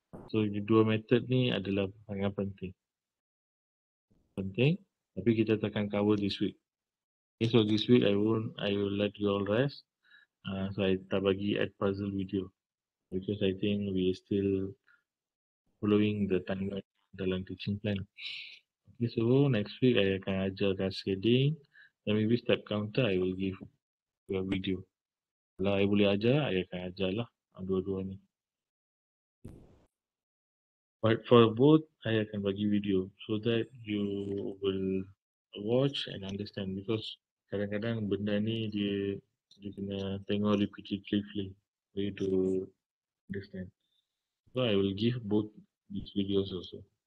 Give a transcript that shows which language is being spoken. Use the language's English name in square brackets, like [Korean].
[Malay] So, ini dua method ni adalah sangat penting. Penting, tapi kita takkan cover [English] this week. Okay, so this week I will let you all rest. So I [Malay] tak bagi [English] add puzzle video because I think we still following the timeline dalam teaching plan. Okay, so next week I can ajar cascading. Then maybe step counter I will give your video. [Malay] Kalau I boleh ajar, I akan ajar lah dua-dua ni. [English] But for both, I akan bagi video so that you will watch and understand, because [Malay] kadang-kadang benda ni dia kena tengok [English] repeatedly for you to understand. So I will give both these videos also.